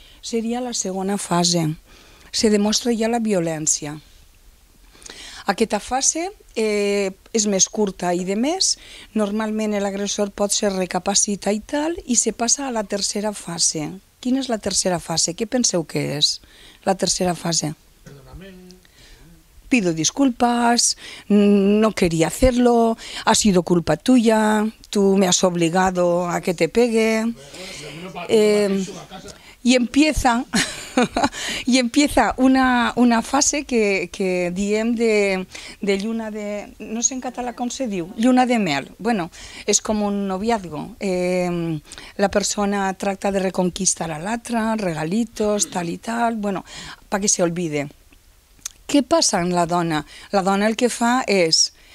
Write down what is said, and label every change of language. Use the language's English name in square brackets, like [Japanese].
[Catalan] Seria la segona fase. Se demostra ja la violència. Aquesta fase és més curta i, de més, normalment l'agressor pot ser recapacitat i tal, i se passa a la tercera fase. Quina és la tercera fase? Què penseu que és la tercera fase? [Spanish] Pido disculpas, no quería hacerlo, ha sido culpa tuya, tú me has obligado a que te pegue. Y empieza... [Catalan] I empieza una fase que diem de lluna de... No sé en català com se diu, lluna de mel. Bueno, és com un noviazgo. La persona tracta de reconquistar a l'altra, regalitos, tal i tal, bueno, perquè [Spanish] se olvide. [Catalan] Què passa amb la dona? La dona el que fa és...